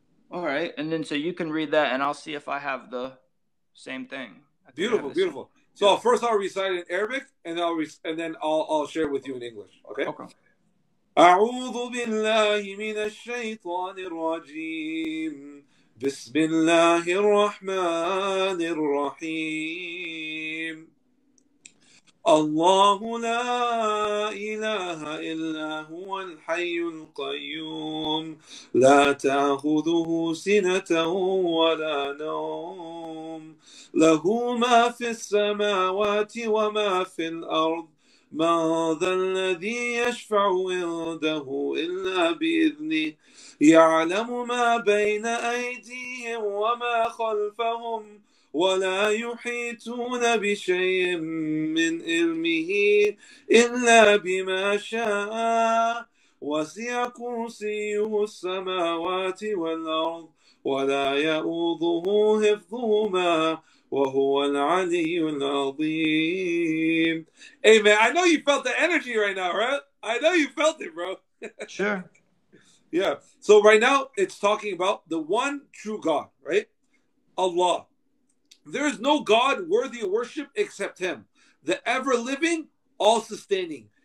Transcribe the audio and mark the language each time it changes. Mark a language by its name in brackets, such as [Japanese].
[English] All right, and then so you can read that, and I'll see if I have the same thing. Beautiful, beautiful. Same. So first I'll recite it in Arabic, and then I'll share it with you in English. Okay. Okay. [Arabic] أعوذ بالله من الشيطان الرجيم بسم الله الرحمن الرحيم الله لا إله إلا هو الحي القيوم لا تأخذه سنة ولا نوم له ما في السماوات وما في الأرض من ذا الذي يشفع عنده إلا بإذنه يعلم ما بين أيديهم وما خلفهم ولا يحيطون بشيء من علمه إلا بما شاء وسع كرسيه السماوات والأرض ولا يؤوده حفظهما وهو العلي العظيم. [English] Hey man, I know you felt the energy right now, right? I know you felt it, bro. Sure. Yeah. So right now it's talking about the one true God, right? Allah. There is no God worthy of worship except Him, the ever-living, all-sustaining.